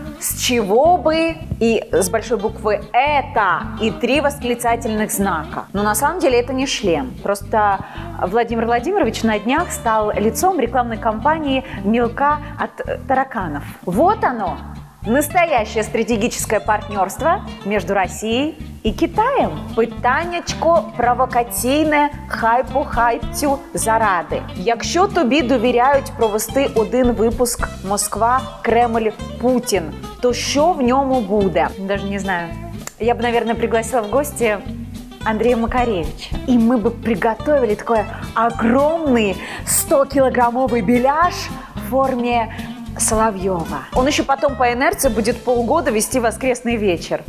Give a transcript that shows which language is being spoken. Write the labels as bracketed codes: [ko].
[ru] С чего бы и с большой буквы «это» и три восклицательных знака. Но на самом деле это не шлем. Просто Владимир Владимирович на днях стал лицом рекламной кампании «Мелка от тараканов». Вот оно, настоящее стратегическое партнерство между Россией и Китаем. [uk] Питанечко провокаційне хайпу-хайптю заради. Якщо тобі довіряють провести один випуск «Москва-Кремль-Путін», то що в ньому буде? [ru] Даже не знаю. Я бы, наверное, пригласила в гости Андрея Макаревича. И мы бы приготовили такой огромный 100-килограммовый беляш в форме Соловьева. Он еще потом по инерции будет полгода вести воскресный вечер.